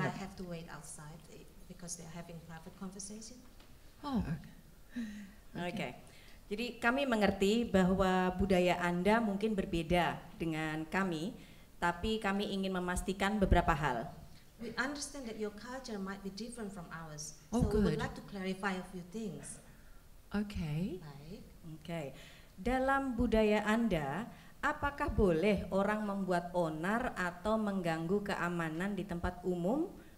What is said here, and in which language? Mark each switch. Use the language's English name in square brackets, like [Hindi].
[English] I have to wait outside because they are having private conversation. Oh, okay. [Indonesian] Jadi kami mengerti bahwa budaya Anda mungkin berbeda dengan kami, tapi kami ingin memastikan beberapa hal. [English] We understand that your culture might be different from ours. Oh, so good. We would like to clarify a few things. Okay. [Indonesian] Okay. Dalam budaya Anda, apakah boleh orang membuat onar atau mengganggu keamanan di tempat umum?